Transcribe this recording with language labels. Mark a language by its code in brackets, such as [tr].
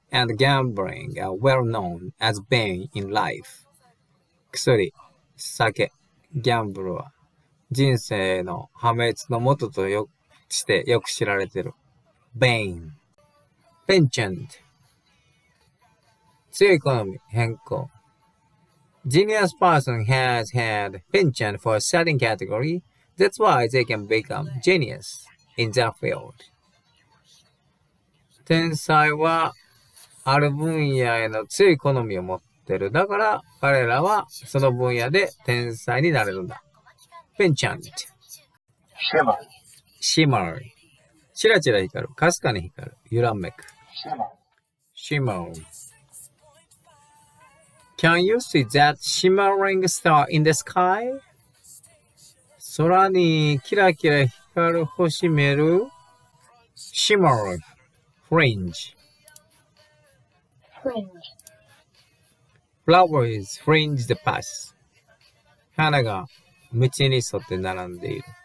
[en] And gambling are well known as bane in life. [ja] 薬、酒、ギャンブルは人生の破滅のもととしてよく知られてる。 [en] Bane. Penchant. [ja] 強い好み、変更。 [en] Genius person has had penchant for a certain category. That's why they can become genius in their field. [ja] 天才はある分野への強い好みを持ってる。だから彼らはその分野で天才になれるんだ。 [en] Penchant. Shimmer. [ja] チラチラ光る。かすかに光る。揺らめく。 [en] Shimmer. Can you see that shimmering star in the sky? [ja] 空にキラキラ光る星見える。 [en] Shimmer. Fringe. Flowers fringe the path. [ja] 花が道に沿って並んでいる。